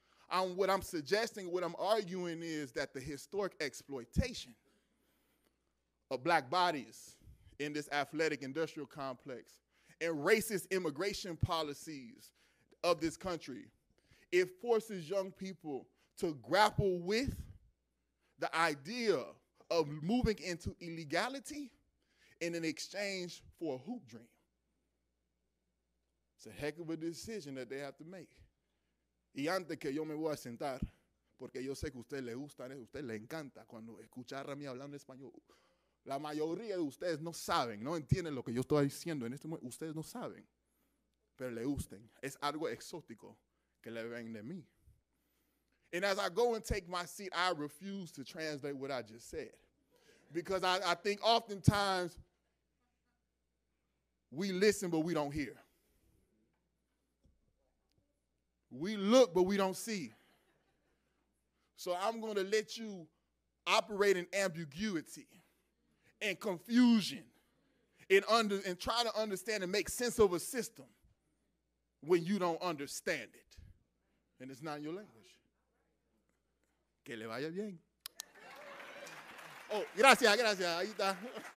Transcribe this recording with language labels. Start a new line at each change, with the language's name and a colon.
English: What I'm arguing is that the historic exploitation of black bodies in this athletic industrial complex and racist immigration policies of this country, it forces young people to grapple with the idea of moving into illegality in an exchange for a hoop dream. It's a heck of a decision that they have to make.
Spanish: Y antes que yo me voy a sentar, porque yo sé que usted le gusta, usted le encanta cuando escuchar a mí hablando español. La mayoría de ustedes no saben, no entienden lo que yo estoy diciendo en este momento. Ustedes no saben, pero le gusten. Es algo exótico que le ven de mí.
English: And as I go and take my seat, I refuse to translate what I just said. Because I think oftentimes we listen, but we don't hear. We look, but we don't see. So I'm going to let you operate in ambiguity and confusion and try to understand and make sense of a system when you don't understand it. And it's not in your language.
Spanish: Que le vaya bien. Oh, gracias, gracias. Ahí está.